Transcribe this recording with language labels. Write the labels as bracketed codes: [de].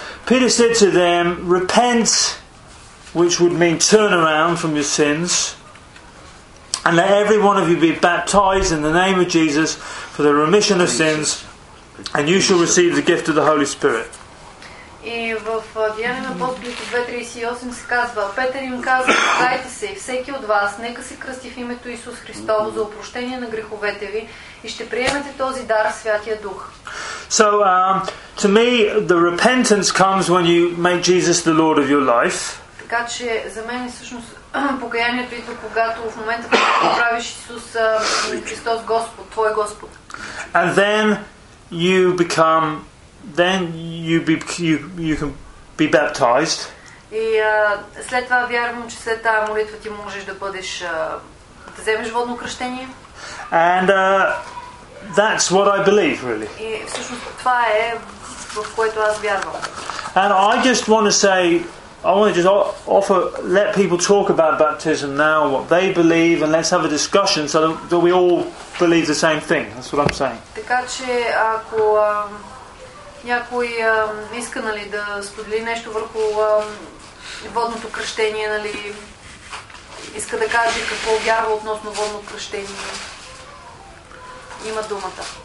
[en] Peter said to them, repent, which would mean turn around from your sins, and let every one of you be baptized in the name of Jesus for the remission of sins, and you shall receive the gift of the Holy Spirit. [bg] И в Деяния на апостолите 2.38 се казва: Петър им казва: Покайте се, всеки от вас, нека се кръсти в името Исус Христово за опрощение на греховете ви и ще приемете този дар, Святия Дух. [en] So, to me, the repentance comes when you make Jesus the Lord of your life. [bg] Така че за мен всъщност покаянието идва, когато в момента, когато правиш Исус Христос Господ, твой Господ. [en] And then you become Then you can be baptized. [bg] И след това вярвам, че след тази молитва ти можеш да бъдеш да вземеш водно кръщение. [en] And that's what I believe, really. [bg] И всъщност това е в което аз вярвам. [en] And I just want to say, I want to just offer, let people talk about baptism now, what they believe, and let's have a discussion so that we all believe the same thing. That's what I'm saying. [bg] Така че ако някой иска, нали, да сподели нещо върху водното кръщение, нали, иска да каже какво вярва относно водно кръщение, има думата.